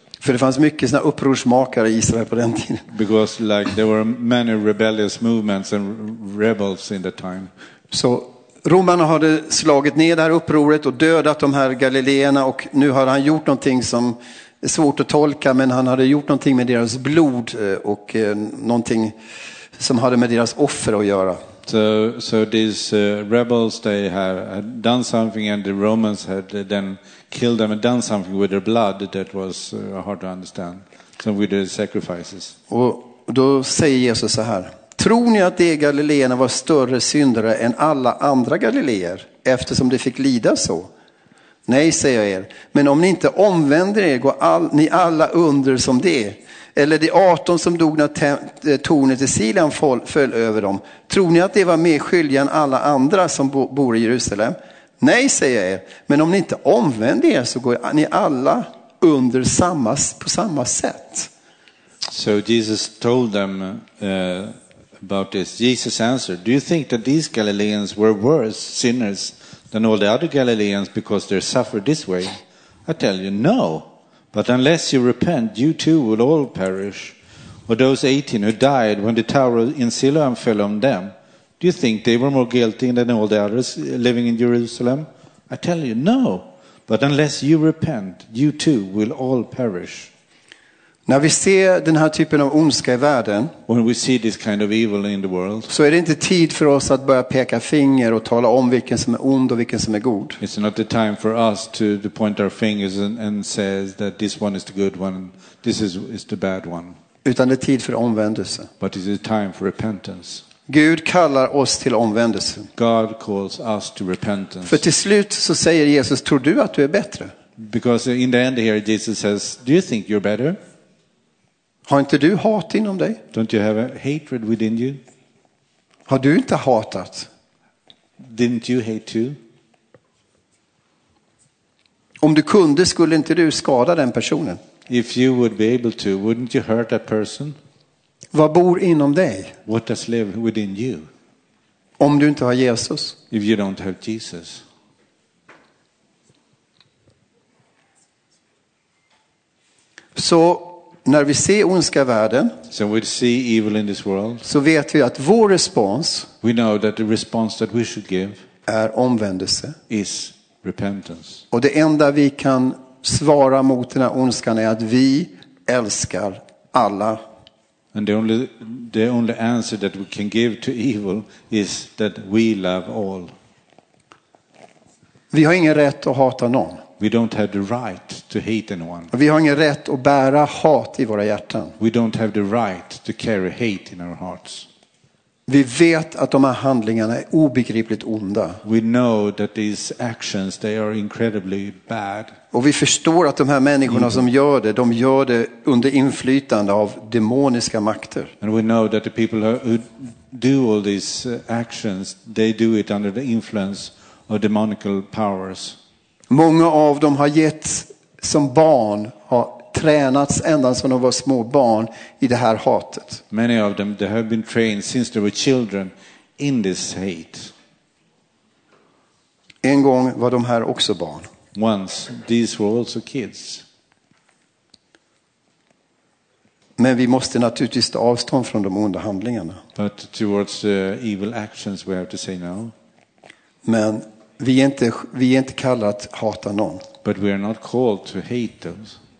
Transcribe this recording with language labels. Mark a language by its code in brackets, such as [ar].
[sv] För det fanns mycket såna upprorsmakare i Israel på den tiden. [en] Because like there were many rebellious movements and rebels in the time. [sv] Så romarna hade slagit ner det här upproret och dödat de här galileerna, och nu har han gjort någonting som är svårt att tolka, men han hade gjort någonting med deras blod och någonting som hade med deras offer att göra. [en] So these rebels, they had done something, and the Romans had then killed them and done something with their blood that was hard to understand. So with their sacrifices. [sv] Och då säger Jesus så här: tror ni att de galileerna var större syndare än alla andra galileer eftersom de fick lida så? Nej, säger jag er. Men om ni inte omvänder er går ni alla under som det. Eller de 18 som dog när tornet i Silan föll över dem. Tror ni att det var mer skyldiga än alla andra som bor i Jerusalem? Nej, säger jag er. Men om ni inte omvänder er så går ni alla under på samma sätt. [en] So Jesus told them about this. Jesus answered, do you think that these Galileans were worse sinners than all the other Galileans because they suffered this way? I tell you, no. But unless you repent, you too will all perish. Or those 18 who died when the tower in Siloam fell on them, do you think they were more guilty than all the others living in Jerusalem? I tell you, no. But unless you repent, you too will all perish. [sv] När vi ser den här typen av ondska i världen, [en] when we see this kind of evil in the world, [sv] så är det inte tid för oss att börja peka finger och tala om vilken som är ond och vilken som är god. [en] It's not the time for us to point our fingers and says that this one is the good one, this is the bad one. [sv] Utan det är tid för omvändelse. [en] But it's a time for repentance. [sv] Gud kallar oss till omvändelse. [en] God calls us to repentance. [sv] För till slut så säger Jesus: tror du att du är bättre? [en] Because in the end here Jesus says, do you think you're better? [sv] Har inte du hat inom dig? [en] Don't you have a hatred within you? [sv] Har du inte hatat? [en] Didn't you hate too? [sv] Om du kunde skulle inte du skada den personen? [en] If you would be able to, wouldn't you hurt that person? [sv] Vad bor inom dig? [en] What does live within you? [sv] Om du inte har Jesus? [en] If you don't have Jesus. [sv] Så när vi ser ondska i världen, [en] so we see evil in this world, [sv] så vet vi att vår respons, [en] we know that the response that we should give, [sv] är omvändelse, [en] is repentance. [sv] Och det enda vi kan svara mot den här ondskan är att vi älskar alla. [en] And the only answer that we can give to evil is that we love all. [sv] Vi har ingen rätt att hata någon. [en] We don't have the right to hate anyone. [sv] Vi har ingen rätt att bära hat i våra hjärtan. [en] We don't have the right to carry hate in our hearts. [sv] Vi vet att de här handlingarna är obegripligt onda. [en] We know that these actions, they are incredibly bad. [sv] Och vi förstår att de här människorna som gör det, de gör det under inflytande av demoniska makter. [en] And we know that the people who do all these actions, they do it under the influence of demonical powers. [sv] Många av dem har gett som barn, har tränats ända sedan de var små barn i det här hatet. [en] Many of them, they have been trained since they were children in this hate. [sv] En gång var de här också barn. [en] Once these were also kids. [sv] Men vi måste naturligtvis ta avstånd från de onda handlingarna. [en] But towards the evil actions we have to say no. [sv] Men vi är inte kallade att hata någon. [en] But we are not called to hate those.